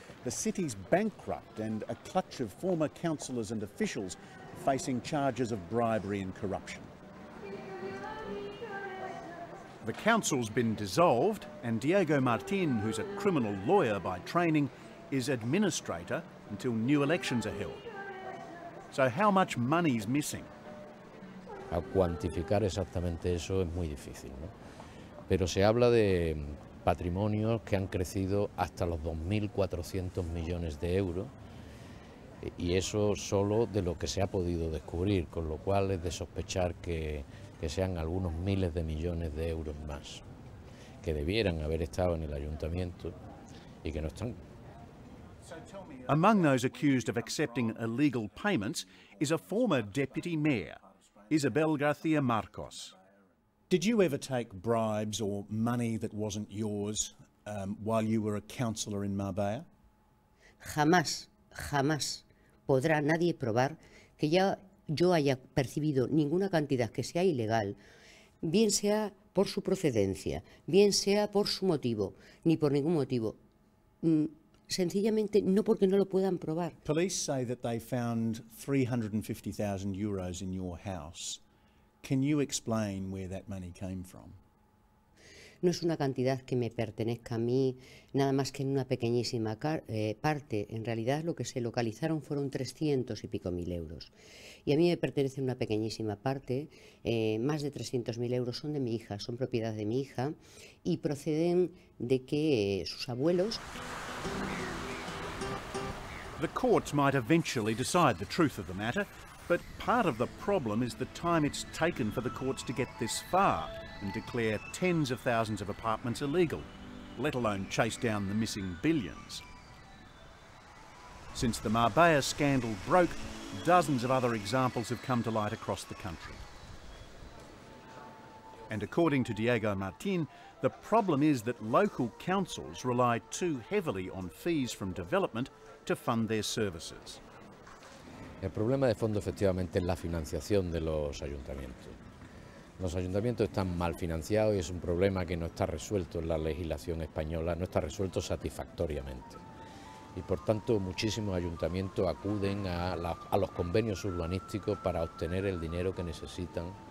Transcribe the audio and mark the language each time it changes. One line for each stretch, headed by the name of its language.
English: The city's bankrupt and a clutch of former councillors and officials facing charges of bribery and corruption. The council's been dissolved, and Diego Martin, who's a criminal lawyer by training, is administrator until new elections are held. So how much money's missing?
Spanish: A cuantificar exactamente eso es muy difícil, ¿no? Pero se habla de patrimonios que han crecido hasta los 2.400 millones de euros y eso solo de lo que se ha podido descubrir, con lo cual es de sospechar que sean algunos miles de millones de euros más que debieran haber estado en el ayuntamiento y que no están.
English: Among those accused of accepting illegal payments is a former deputy mayor, Isabel García Marcos. Did you ever take bribes or money that wasn't yours while you were a councillor in Marbella?
Spanish: Jamás, jamás podrá nadie probar que ya yo haya percibido ninguna cantidad que sea ilegal, bien sea por su procedencia, bien sea por su motivo, ni por ningún motivo. Sencillamente no porque no lo puedan probar.
English: Police say that they found 350,000 euros in your house. Can you explain where that money came from?
Spanish: No es una cantidad que me pertenezca a mí, nada más que en una pequeñísima parte. En realidad lo que se localizaron fueron 300 y pico mil euros. Y a mí me pertenece una pequeñísima parte, más de 300.000 euros son de mi hija, son propiedad de mi hija y proceden de que sus abuelos.
English: The courts might eventually decide the truth of the matter, but part of the problem is the time it's taken for the courts to get this far and declare tens of thousands of apartments illegal, let alone chase down the missing billions. Since the Marbella scandal broke, dozens of other examples have come to light across the country. And according to Diego Martin, the problem is that local councils rely too heavily on fees from development to fund their services.
Spanish: El problema de fondo efectivamente es la financiación de los ayuntamientos. Los ayuntamientos están mal financiados y es un problema que no está resuelto en la legislación española, no está resuelto satisfactoriamente. Y por tanto, muchísimos ayuntamientos acuden a los convenios urbanísticos para obtener el dinero que necesitan.